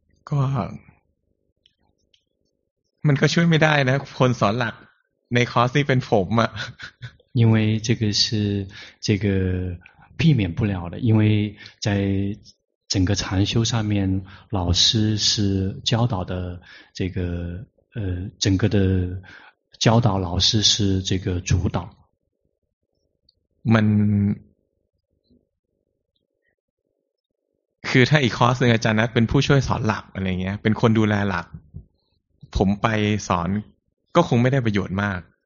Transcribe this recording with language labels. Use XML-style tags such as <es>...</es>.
<th>ก็มันก็ช่วยไม่ได้นะคนสอนหลักในคอร์สนี่เป็นผมอ่ะ</th> <zh>因为这个是这个避免不了的因为在整个禅修上面老师是教导的这个整个的教导老师是这个主导</zh> <th>มันคือถ้าอีกคอร์สหนึ่งอาจารย์นัทเป็นผู้ช่วยสอนหลักอะไรเงี้ยเป็นคนดูแลหลักผมไปสอนก็คงไม่ได้ประโยชน์มาก</th>